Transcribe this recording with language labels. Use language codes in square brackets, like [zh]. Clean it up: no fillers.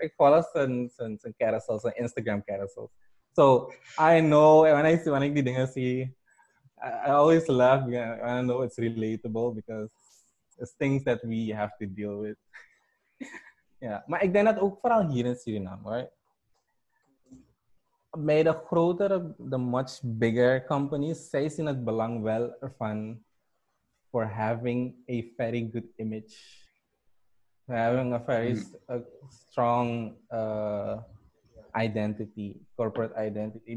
[nl] Ik volg zijn carousels, zijn Instagram carousels. [en] So I know, when I die dingen zie, I always laugh, and I know it's relatable, because it's things that we have to deal with. [nl] Yeah, maar ik denk dat ook vooral hier in Suriname, right? Bij de grotere, de much bigger companies, zij zien het belang wel ervan for having a very good image. [en] For having a very strong identity, corporate identity.